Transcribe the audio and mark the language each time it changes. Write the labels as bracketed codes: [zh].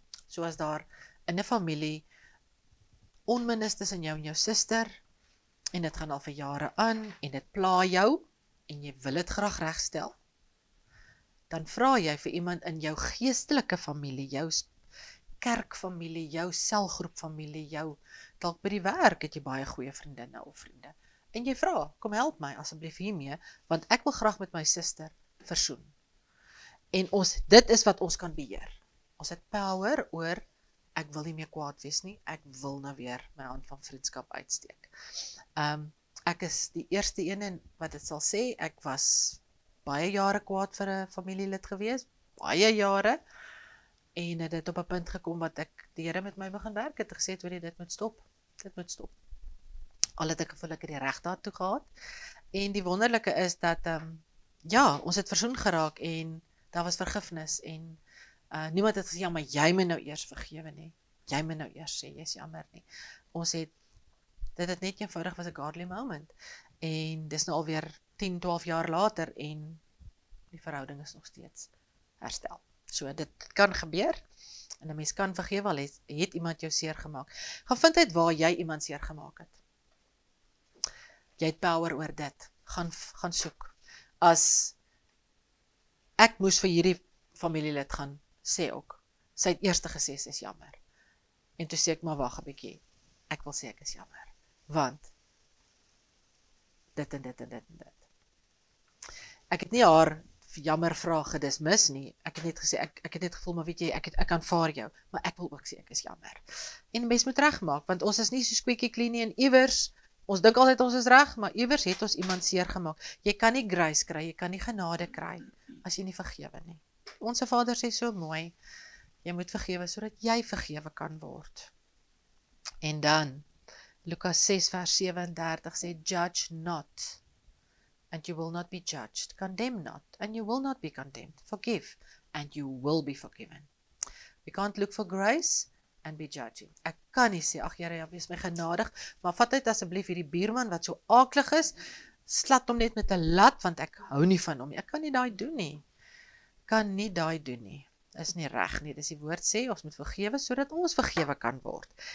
[af] Soos daar in die familie onmin is tussen jou en jou sister, en dit gaan al vir jare aan, en dit pla jou, en jy wil het graag regstel, dan vraag jy vir iemand in jou geestelike familie, jou kerkfamilie, jou selgroepfamilie, jou dalk by die werk, het jy baie goeie vriendinne of vriende, en jy vraag, kom help my asseblief hiermee, want ek wil graag met my sister versoen. En ons, dit is wat ons kan beheer. Ons het power oor ek wil nie meer kwaad wees nie, ek wil nou weer my hand van vriendskap uitsteek. Ek is die eerste ene wat het sal sê, ek was baie jare kwaad vir 'n familielid gewees, baie jare, en het dit op 'n punt gekom wat ek die Here met my begin werk het, gesê het, weet jy, dit moet stop. Al het ek gevoel ek het die reg daartoe gehad, en die wonderlike is dat, ja, ons het versoen geraak, en daar was vergifnis, en niemand het gesê, ja, maar jy moet nou eers vergewe nie. Jy moet nou eers sê, jy is jammer nie. Ons het, dit het net eenvoudig was 'n godly moment. En dis nou alweer 10, 12 jaar later en die verhouding is nog steeds herstel. So, dit kan gebeur en een mens kan vergewe al het iemand jou seer gemaak. Gaan vind uit waar jy iemand seer gemaak het. Jy het power oor dit. Gaan soek. As ek moes vir hierdie familielid gaan sê ook, sy het eerste gesê, sy is jammer. En toe sê ek, maar wacht een bykie, ek wil sê, ek is jammer. Want, dit en dit. Ek het nie haar jammer vraag gedismis nie, ek het net gesê, ek het net gevoel, maar weet jy, ek aanvaar jou, maar ek wil ook sê, ek is jammer. En mens moet reg maak, want ons is nie so squeaky clean nie, en iewers, ons dink altyd ons is reg, maar iewers het ons iemand seer gemaak. Jy kan nie grace kry, jy kan nie genade kry, as jy nie vergewe nie. Onse Vader sê so mooi, jy moet vergewe sodat jy vergewe kan word. [en] En dan, Lukas 6 vers 37 sê, judge not, and you will not be judged. Condemn not, and you will not be condemned. Forgive, and you will be forgiven. We can't look for grace and be judging. [af] Ek kan nie sê, ach Here, jy is my genadig, maar vat uit asseblief hierdie buurman wat so aaklig is, slat hom net met 'n lat, want ek hou nie van hom. Ek kan nie daai doen nie. Kan nie daai doen nie, is nie reg nie, dis die woord sê, ons moet vergewe, sodat ons vergewe kan word.